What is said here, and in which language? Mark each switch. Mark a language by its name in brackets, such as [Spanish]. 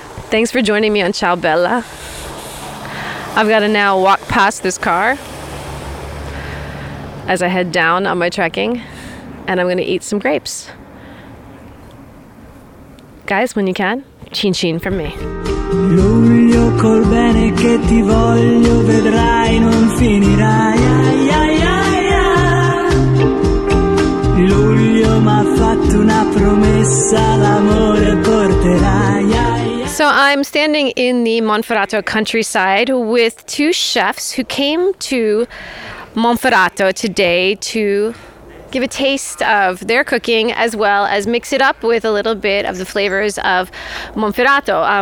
[English] Thanks for joining me on Ciao Bella. I've got to now walk past this car as I head down on my trekking, and I'm going to eat some grapes. Guys, when you can, cin cin from me. [Italian] Luglio col bene che ti voglio, vedrai non finirai. Ai, ai, ai, ai. Luglio m'ha fatto una promessa, l'amore porterai. [English] So I'm standing in the Monferrato countryside with two chefs who came to Monferrato today to give a taste of their cooking, as well as mix it up with a little bit of the flavors of Monferrato.